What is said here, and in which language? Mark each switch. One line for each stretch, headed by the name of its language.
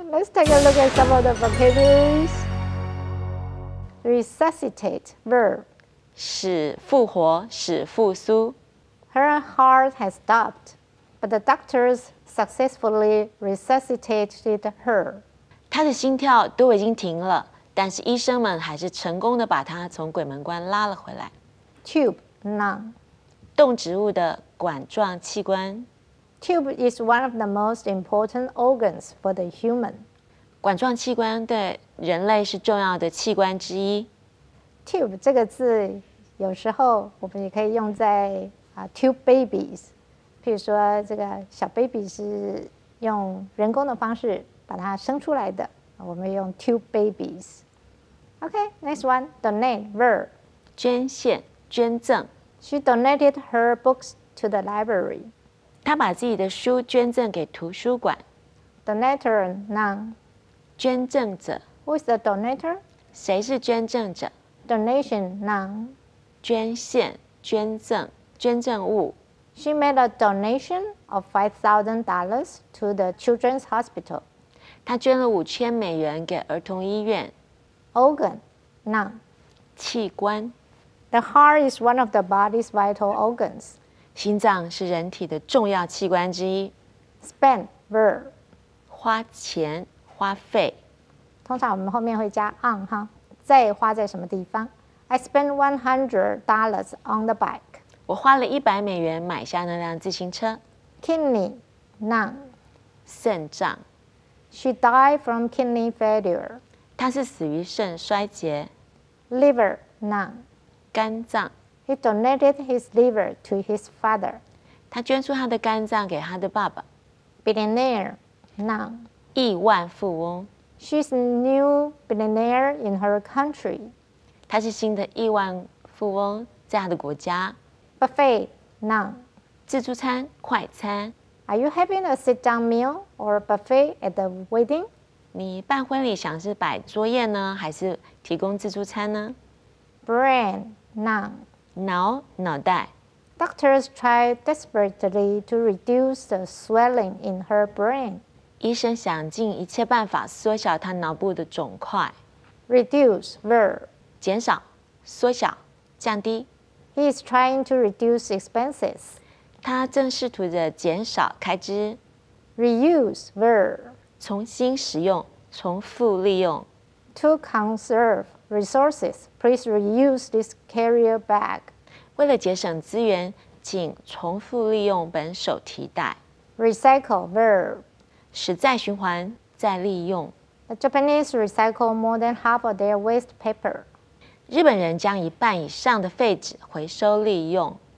English: Let's take a look at some of the vocabularies. Resuscitate, verb.
Chinese: 使复活, 使复苏.
English: Her heart has stopped, but the doctors successfully resuscitated her.
Chinese: 她的心跳都已经停了, 但是医生们还是成功地把她从鬼门关拉了回来.
English: Tube, lung.
Chinese: 动植物的管状器官.
English: Tube is one of the most important organs for the human.
Chinese: 管状器官对人类是重要的器官之一. Tube 这个字, 有时候我们也可以用在 tube babies, 譬如说这个小 baby 是用人工的方式把它生出来的, 我们用 tube babies.
English: Okay, next one, donate, verb.
Chinese: 捐献, 捐赠.
English: She donated her books to the library.
Chinese: 她把自己的书捐赠给图书馆.
English: Donator, noun.
Chinese: 捐赠者.
English: Who is the donator?
Chinese: 谁是捐赠者?
English: Donation, noun.
Chinese: 捐献, 捐赠, 捐赠物.
English: She made a donation of $5,000 to the children's hospital.
Chinese: 她捐了5,000美元给儿童医院.
English: Organ, noun.
Chinese: 器官.
English: The heart is one of the body's vital organs.
Chinese: 心脏是人体的重要器官之一.
English: Spend, verb.
Chinese: 花钱, 花费. 通常我们后面会加 on, 在花在什么地方?
English: I spent $100 on the bike.
Chinese: 我花了100美元买下那辆自行车.
English: Kidney, noun.
Chinese: 肾脏.
English: She died from kidney failure.
Chinese: 她是死于肾衰竭.
English: Liver, noun.
Chinese: 肝脏.
English: He donated his liver to his father.
Chinese: 她捐出她的肝脏给她的爸爸.
English: Billionaire, noun.
Chinese: 亿万富翁.
English: She's a new billionaire in her country.
Chinese: 她是新的亿万富翁在她的国家.
English: Buffet, noun.
Chinese: 自助餐, 快餐.
English: Are you having a sit-down meal or a buffet at the wedding?
Chinese: 你办婚礼想是摆桌宴呢, 还是提供自助餐呢?
English: Brain, noun.
Chinese: 脑, 脑袋.
English: Doctors tried desperately to reduce the swelling in her brain.
Chinese: 医生想尽一切办法缩小她脑部的肿块.
English: Reduce, verb.
Chinese: 减少, 缩小, 降低.
English: He is trying to reduce expenses.
Chinese: 他正试图着减少开支.
English: Reuse, verb.
Chinese: 重新使用, 重复利用.
English: To conserve resources, please reuse this carrier bag.
Chinese: 为了节省资源, 请重复利用本手提袋.
English: Recycle, verb.
Chinese: 使再循环, 再利用.
English: The Japanese recycle more than half of their waste paper.
Chinese: 日本人将一半以上的废纸回收利用。